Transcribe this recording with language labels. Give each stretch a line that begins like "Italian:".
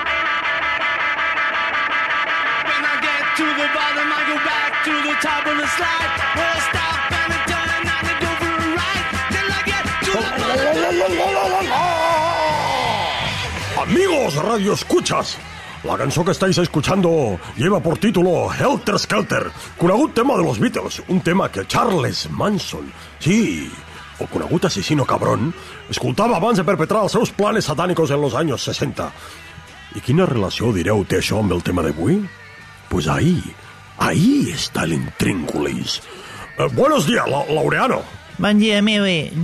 English: When I get to the bottom, I go back to the top of the slide. Where I stop and I turn and I go for a ride. Till I get to the bottom...
Spanish: Amigos radioescuchas, la
Catalan: cançó
Spanish: que estáis escuchando lleva por título Helter Skelter,
Catalan: conegut
Spanish: tema de los Beatles, un tema que Charles Manson, sí,
Catalan: el conegut assassino cabron, escoltava abans de perpetrar els seus planes satànicos en els anys 60. I quina relació, direu, té això amb el tema d'avui?
Spanish: Pues
Catalan: ahir està l'intríngulis.
Spanish: Buenos días, Laureano.
Catalan: Bon dia, Miwi.